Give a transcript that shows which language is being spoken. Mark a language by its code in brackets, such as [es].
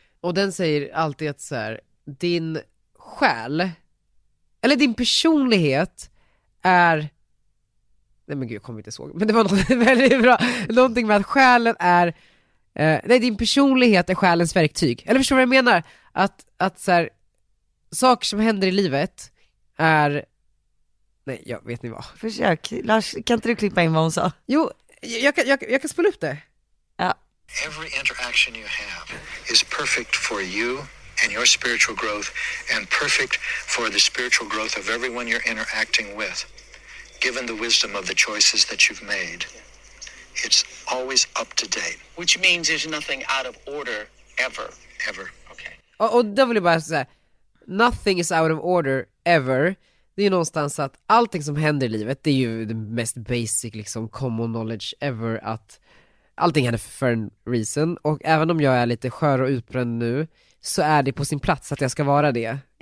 [sv] Och den säger alltid att så här, din själ eller din personlighet är, nej men gud, jag kommer inte ihåg, men det var något väldigt bra, någonting med att själen är din personlighet är själens verktyg, eller förstår du vad jag menar, att så här, saker som händer i livet är, nej jag vet ni vad, försök Lars, kan inte du klippa in vad hon sa? Jo, jag kan spela upp det. [en] Every interaction you have is perfect for you and your spiritual growth, and perfect for the spiritual growth of everyone you're interacting with, given the wisdom of the choices that you've made. It's always up to date. Which means there's nothing out of order ever. Ever. Okay. [sv] Och då vill jag bara säga, [en] nothing is out of order ever. [sv] Det är ju någonstans att allting som händer i livet, det är ju [en] the most basic [sv] liksom [en] common knowledge ever, [sv] att allting händer för en reason. Och även om jag är lite skör och utbränd nu, så är det på sin plats att jag ska vara det.